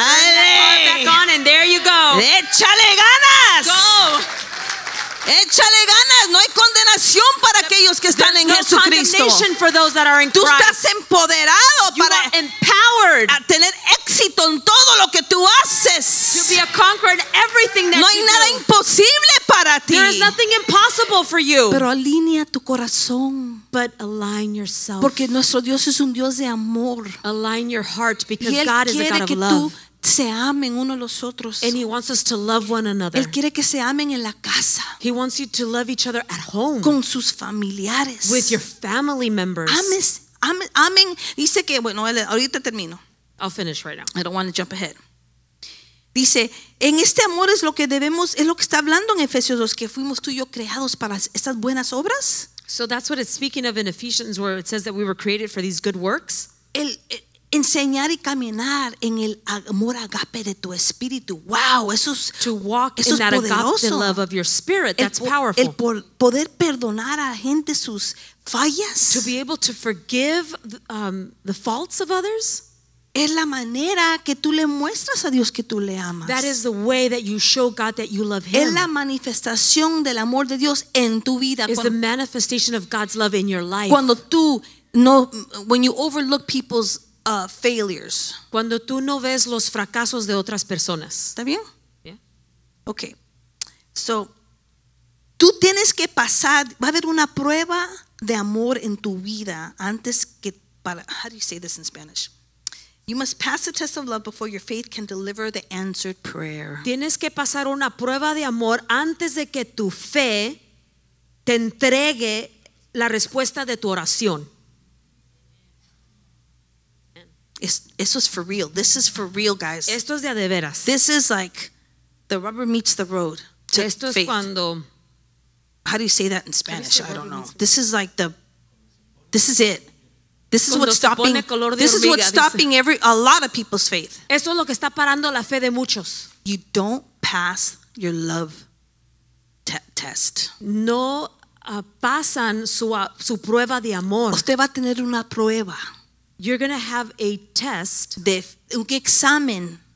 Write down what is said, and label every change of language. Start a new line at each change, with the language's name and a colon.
English: Turn that car back on and there you go.
Spanish: Échale ganas.
English: Go.
Spanish: Échale ganas, no hay condenación para aquellos que están en Jesucristo. Tú estás empoderado para tener éxito en todo lo que tú haces. No hay nada imposible para ti.
English: There is nothing impossible for you.
Spanish: Pero alinea tu corazón.
English: But align yourself.
Spanish: Porque nuestro Dios es un Dios de amor.
English: Align your heart because God is a God of love.
Spanish: Se amen uno los otros.
English: And he wants us to love one another.
Spanish: Él quiere que se amen en la casa.
English: He wants you to love each other at home.
Spanish: Con sus familiares.
English: With your family members.
Spanish: Amen. Dice que, bueno, ahorita termino.
English: I'll finish right now. I don't want to jump ahead.
Spanish: Dice, en este amor es lo que debemos, es lo que está hablando en Efesios 2, que fuimos tú y yo creados para estas buenas obras.
English: So that's what it's speaking of in Ephesians, where it says that we were created for these good works.
Spanish: Enseñar y caminar en el amor agape de tu espíritu. Wow, eso es
English: to walk
Spanish: eso
English: in that
Spanish: poderoso.
English: Agape love of your spirit, that's powerful.
Spanish: El poder perdonar a gente sus fallas.
English: To be able to forgive the faults of others.
Spanish: Es la manera que tú le muestras a Dios que tú le amas.
English: That is the way that you show God that you love Him.
Spanish: Es la manifestación del amor de Dios en tu vida.
English: Is the manifestation of God's love in your life.
Spanish: Cuando tú no,
English: when you overlook people's failures.
Spanish: Cuando tú no ves los fracasos de otras personas. ¿Está bien?
English: Yeah.
Spanish: Okay. So, tú tienes que pasar, va a haber una prueba de amor en tu vida antes que para,
English: how do you say this in Spanish? You must pass the test of love before your faith can deliver the answered prayer.
Spanish: Tienes que pasar una prueba de amor antes de que tu fe te entregue la respuesta de tu oración. Eso es
English: for real. This is for real, guys.
Spanish: Esto es de veras.
English: This is like the rubber meets the road to
Spanish: esto es
English: faith.
Spanish: Cuando,
English: how do you say that in Spanish? I don't know. This is like the This is it. This is what's stopping. This is what's stopping every a lot of people's faith.
Spanish: Eso es lo que está parando la fe de muchos.
English: You don't pass your love test.
Spanish: No pasan su prueba de amor. Usted va a tener una prueba.
English: You're going to have a test.
Spanish: De un examen.